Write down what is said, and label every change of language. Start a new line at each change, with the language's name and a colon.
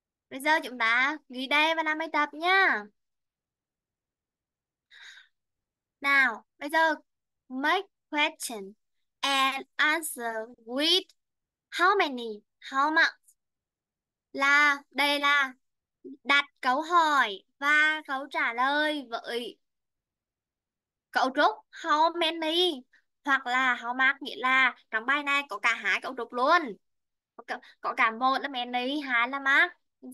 Vietnamese: Bây giờ chúng ta nghỉ đây và làm bài tập nhá.
English: Nào, bây giờ make question and answer with how much.
Vietnamese: Là đây là đặt câu hỏi và câu trả lời với cấu trúc how many hoặc là how much, nghĩa là trong bài này có cả hai cấu trúc luôn. Có cả một là many, hai là much.